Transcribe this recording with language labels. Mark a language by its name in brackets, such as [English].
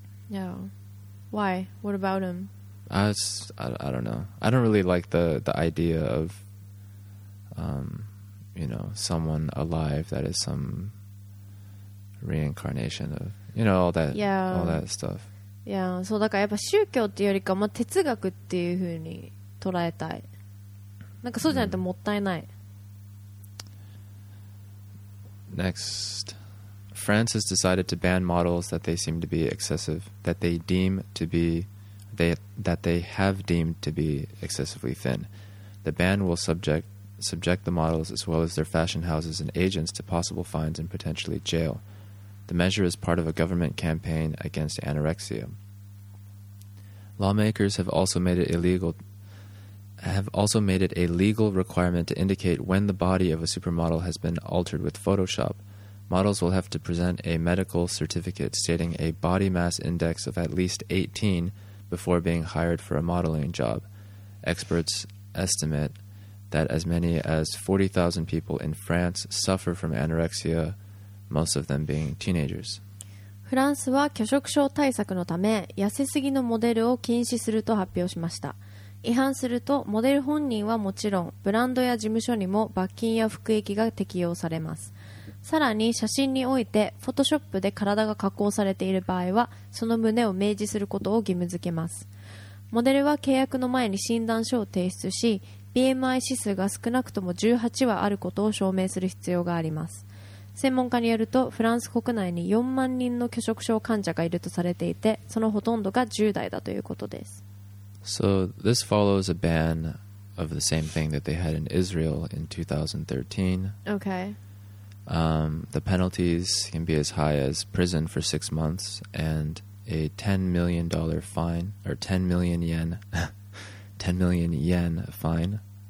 [English] Yeah. Why? What about him? I don't know. I don't really like the idea of, you know, someone alive that is some reincarnation of, you know, all that, yeah. all that stuff. Yeah. [Japanese] So, だからやっぱ宗教っていうよりか、まあ、哲学っていうふうに捉えたい。なんかそうじゃないともったいない。 [English] Next. France has decided to ban models that they seem to be excessive, that they deem to be, that they have deemed to be excessively thin. The ban will subject the models as well as their fashion houses and agents to possible fines and potentially jail. The measure is part of a government campaign against anorexia. Lawmakers have also made it illegal, requirement to indicate when the body of a supermodel has been altered with Photoshop. Models will have to present a medical certificate stating a body mass index of at least 18 before being hired for a modeling job. Experts estimate that as many as 40,000 people in France suffer from anorexia, most of them being teenagers. [Japanese] フランスは拒食症対策のため、痩せすぎのモデルを禁止すると発表しました。違反すると、モデル本人はもちろん、ブランドや事務所にも罰金や服役が適用されます。さらに写真においてフォトショップで体が加工されている場合はその旨を明示することを義務付けます。モデルは契約の前に診断書を提出し BMI 指数が少なくとも18はあることを証明する必要があります。専門家によるとフランス国内に4万人の拒食症患者がいるとされていて、そのほとんどが10代だということです。 [English] So this follows a ban of the same thing that they had in Israel in 2013. Okay. The penalties can be as high as prison for 6 months and a $10 million fine, or 10 million yen, 10 million yen fine.